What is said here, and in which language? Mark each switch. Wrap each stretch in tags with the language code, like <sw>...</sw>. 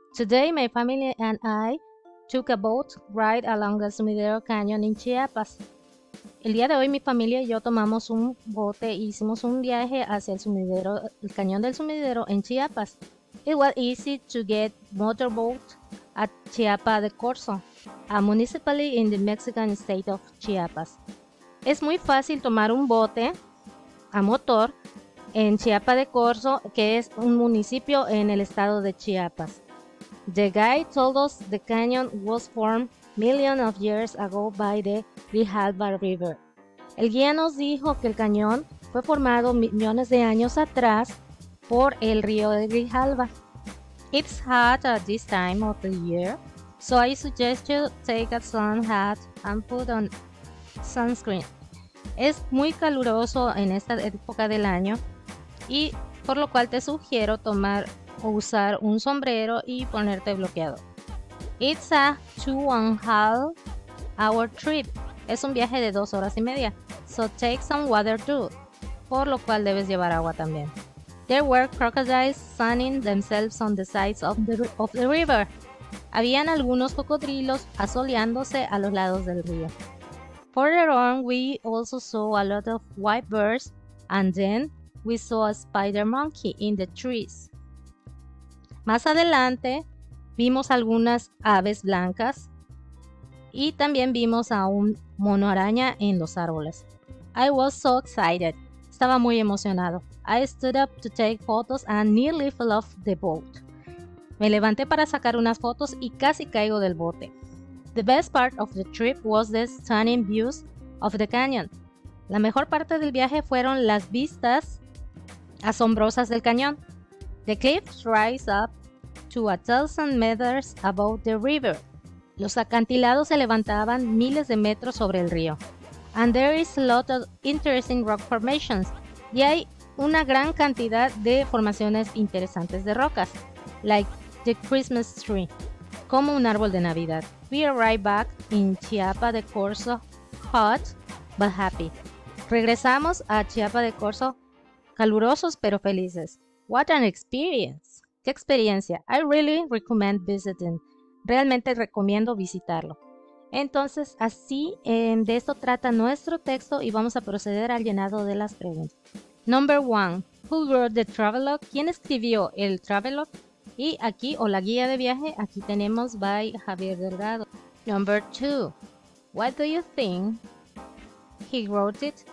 <en>Today my family and I took a boat ride along the Sumidero Canyon in Chiapas.</en> <es>El día de hoy mi familia y yo tomamos un bote e hicimos un viaje hacia el Cañón del Sumidero en Chiapas.</es> <en>It was easy to get motorboat at Chiapa de Corzo, a municipality in the Mexican state of Chiapas.</en> <es>Es muy fácil tomar un bote a motor en Chiapa de Corzo, que es un municipio en el estado de Chiapas.</es> <en>The guide told us the canyon was formed millions of years ago by the Grijalva River.</en> <es>El guía nos dijo que el cañón fue formado millones de años atrás por el río de Grijalva.</es> <en>It's hot at this time of the year, so I suggest you take a sun hat and put on sunscreen.</en> <es>Es muy caluroso en esta época del año y por lo cual te sugiero tomar o usar un sombrero y ponerte bloqueado.</es> <en>It's a 2.5 hour trip.</en> <es>Es un viaje de 2 horas y media,</es> <en>so take some water too.</en> <es>Por lo cual debes llevar agua también.</es> <en>There were crocodiles sunning themselves on the sides of the river.</en> <es>Habían algunos cocodrilos asoleándose a los lados del río.</es> <en>Further on, we also saw a lot of white birds, and then we saw a spider monkey in the trees.</en> <es>Más adelante, vimos algunas aves blancas y también vimos a un mono araña en los árboles.</es> <en>I was so excited.</en> <es>Estaba muy emocionado.</es> <en>I stood up to take photos and nearly fell off the boat.</en> <es>Me levanté para sacar unas fotos y casi caigo del bote.</es> <en>The best part of the trip was the stunning views of the canyon.</en> <es>La mejor parte del viaje fueron las vistas asombrosas del cañón.</es> <en>The cliffs rise up to 1,000 meters above the river.</en> <es>Los acantilados se levantaban miles de metros sobre el río.</es> <en>And there is a lot of interesting rock formations.</en> <es>Y hay una gran cantidad de formaciones interesantes de rocas,</es> <en>like the Christmas tree,</en> <es>como un árbol de Navidad.</es> <en>We arrive back in Chiapa de Corzo, hot but happy.</en> <es>Regresamos a Chiapa de Corzo, calurosos pero felices.</es> <en>What an experience!</en> <es>¿Qué experiencia?</es> <en>I really recommend visiting.</en> <es>Realmente recomiendo visitarlo. Entonces, así de esto trata nuestro texto y vamos a proceder al llenado de las preguntas.</es> <en>Number one, who wrote the travelogue?</en> <es>¿Quién escribió el travelogue? Y aquí, o la guía de viaje, aquí tenemos by Javier Delgado.</es> <en>Number two, what do you think he wrote it?</en>